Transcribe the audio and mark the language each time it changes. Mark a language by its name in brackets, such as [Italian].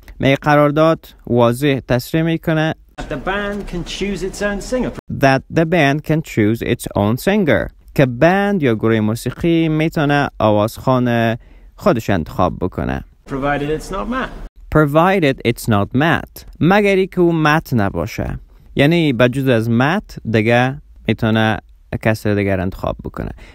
[Persian] می قرارداد واضح تصریح میکنه [English] that the band can choose its own singer. [Persian] که بند یا گروه موسیقی میتونه آوازخوان خودش انتخاب بکنه. [English] Provided it's not Matt. Provided it's not Matt. [Persian] مگر اینکه او مت نباشه. یعنی بجز از مت دیگه میتونه کس دیگر انتخاب بکنه.